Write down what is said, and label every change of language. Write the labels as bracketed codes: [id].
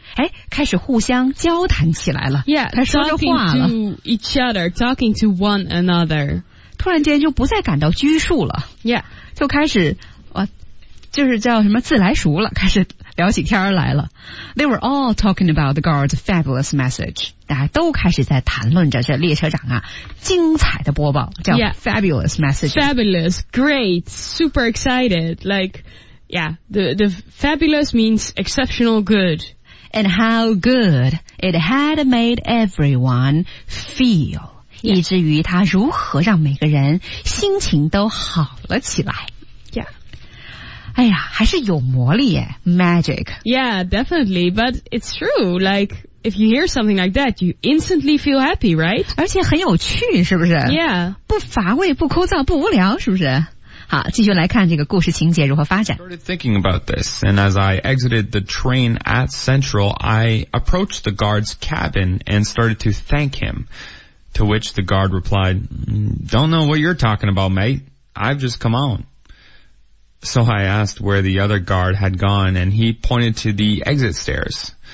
[zh] 哎，开始互相交谈起来了。 [en] Yeah, [zh] 开始说着话了。 [en] Talking to each other, talking to one another. [zh] 突然间就不再感到拘束了。 [en] Yeah, [zh] 就开始，就是叫什么自来熟了，开始聊起天来了。 [en] They were all talking about the guard's fabulous message. [zh] 大家都开始在谈论着这列车长啊精彩的播报，叫 [en] fabulous message. Fabulous, great, super excited. Like, yeah, the fabulous means exceptional good. And how good it had made everyone feel,、yeah. [zh] 以至于它如何让每个人心情都好了起来。 [en] Yeah. [zh] 哎呀，还是有魔力耶 ,magic. [en] Yeah, definitely, but it's true, like, if you hear something like that, you instantly feel happy, right? [zh] 而且很有趣，是不是 [en] ?Yeah. [zh] 不乏味，不枯燥，不无聊，是不是好，继续来看这个故事情节如何发展。 [en] I started thinking about this, and as I exited the train at Central, I approached the guard's cabin and started to thank him, to which the guard replied, Don't know what you're talking about, mate. I've just come on. So I asked where the other guard had gone, and he pointed to the exit stairs.